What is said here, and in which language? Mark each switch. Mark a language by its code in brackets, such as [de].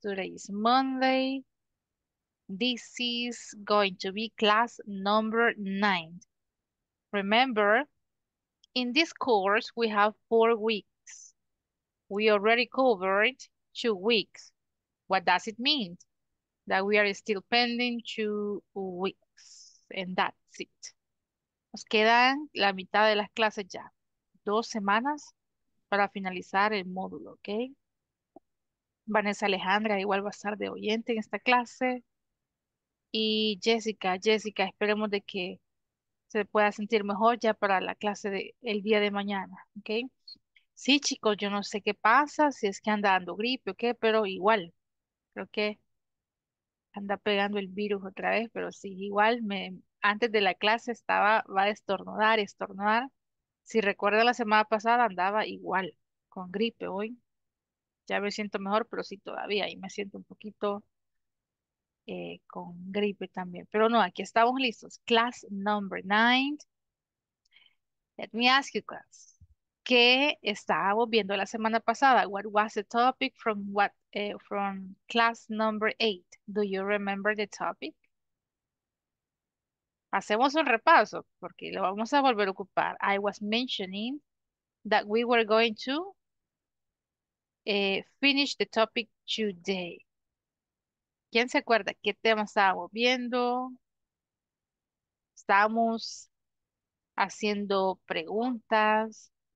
[en] Today is Monday. This is going to be class number 9. Remember, in this course, we have 4 weeks. We already covered 2 weeks. What does it mean? That we are still pending 2 weeks, and that's it. [es] Nos quedan la mitad de las clases ya, 2 semanas para finalizar el módulo, ¿ok? Vanessa Alejandra igual va a estar de oyente en esta clase. Y Jessica, esperemos de que se pueda sentir mejor ya para la clase el día de mañana, ¿ok? Sí, chicos, yo no sé qué pasa, si es que anda dando gripe o qué, pero igual, creo que anda pegando el virus otra vez, pero sí, igual me... Antes de la clase estaba, va a estornudar, estornudar. Si recuerda la semana pasada andaba igual, con gripe hoy. Ya me siento mejor, pero sí todavía. Y me siento un poquito con gripe también. Pero no, aquí estamos listos. [en] Class number 9. Let me ask you, class. [es] ¿Qué estábamos viendo la semana pasada? [en] What was the topic from from class number 8? Do you remember the topic? [es] Hacemos un repaso porque lo vamos a volver a ocupar. [en] I was mentioning that we were going to finish the topic today. [es] ¿Quién se acuerda qué tema estábamos viendo? Estamos haciendo preguntas.